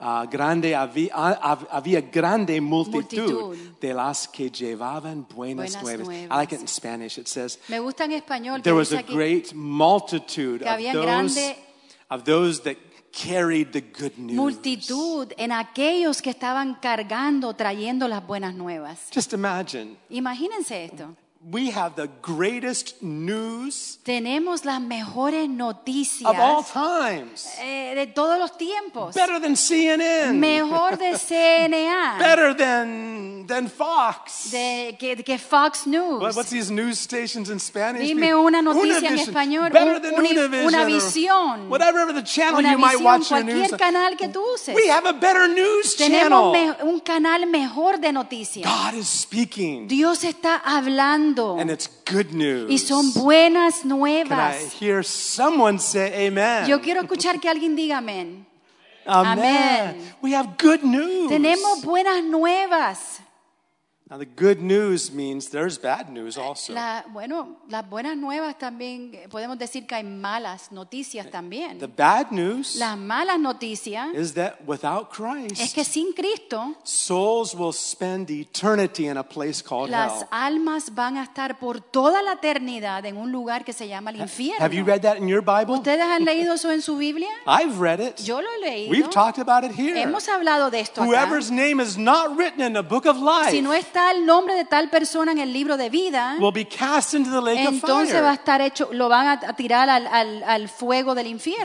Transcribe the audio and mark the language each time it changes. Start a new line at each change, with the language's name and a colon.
Spanish: Grande había grande multitud de las que llevaban buenas nuevas.
English: I like it in Spanish. It says,
Spanish: me gusta en español,
English: there was a great multitude of those that carried the good news.
Spanish: Multitud en aquellos que estaban cargando, trayendo las buenas nuevas.
English: Just imagine.
Spanish: Imagínense esto.
English: We have the greatest news.
Spanish: Tenemos las mejores noticias.
English: Of all times.
Spanish: De todos los tiempos.
English: Better than CNN.
Spanish: Mejor de CNA.
English: Better than Fox.
Spanish: De que Fox News.
English: What's these news stations in Spanish?
Spanish: Dime una noticia en español.
English: Better than Univision.
Spanish: Una visión.
English: Whatever the channel you might watch your news.
Spanish: Cualquier canal que tú uses.
English: We have a better news channel.
Spanish: Tenemos un canal mejor de noticias.
English: God is speaking.
Spanish: Dios está hablando. pasando.
English: And it's good news.
Spanish: Y son buenas nuevas.
English: Can I hear someone say amen?
Spanish: Yo quiero escuchar que alguien diga amén.
English: Amen. We have good news.
Spanish: Tenemos buenas nuevas.
English: Now the good news means there's bad news also.
Spanish: Las buenas nuevas también podemos decir que hay malas noticias también.
English: The bad news.
Spanish: Las malas noticias.
English: Is that without Christ?
Spanish: Es que sin Cristo.
English: Souls will spend eternity in a place called hell.
Spanish: Las almas van a estar por toda la eternidad en un lugar que se llama el infierno.
English: Have you read that in your Bible?
Spanish: ¿Ustedes han leído eso en su Biblia?
English: I've read it.
Spanish: Yo lo he leído.
English: We've talked about it here.
Spanish: Hemos hablado de esto acá.
English: Whoever's name is not written in the book of life.
Spanish: Si no está el nombre de tal persona en el libro de vida,
English: will be cast into the lake
Spanish: entonces
English: of fire.
Spanish: Va a estar hecho, lo van a tirar al fuego del infierno.